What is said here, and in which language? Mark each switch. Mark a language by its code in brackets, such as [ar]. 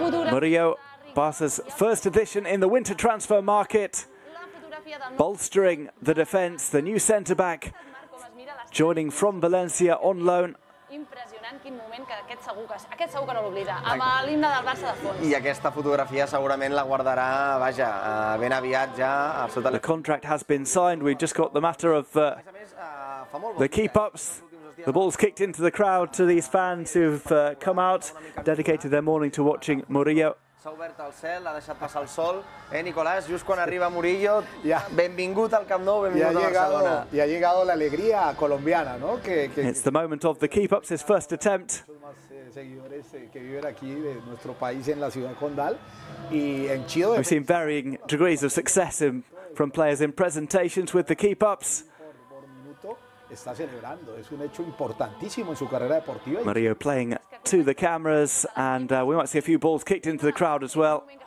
[en] Murillo, Barça's first addition in the winter transfer market, bolstering the defence, the new centre-back joining from Valencia on loan. [ca] Impressionant, quin moment, que aquest segur que no l'oblida, amb l'himne del Barça de fons. I aquesta fotografia segurament la guardarà, vaja, ben aviat ja. Sota... [en] The contract has been signed, we've just got the matter of the keep-ups. The ball's kicked into the crowd to these fans who've come out, dedicated their morning to watching Murillo. [ca] S'ha obert el cel, ha deixat passar el sol. Nicolás, just quan arriba Murillo, ja. Benvingut al Camp Nou, benvingut a Barcelona. [es] I ha llegado la alegría colombiana, no? [en] It's the moment of the keep-ups, his first attempt. [es] Seguidores que viven aquí de nuestro país en la ciudad condal y en Chido. [en] We've seen varying degrees of success from players in presentations with the keep-ups. [es] Está celebrando, es un hecho importantísimo en su carrera deportiva. [en] Murillo playing to the cameras, and we might see a few balls kicked into the crowd as well.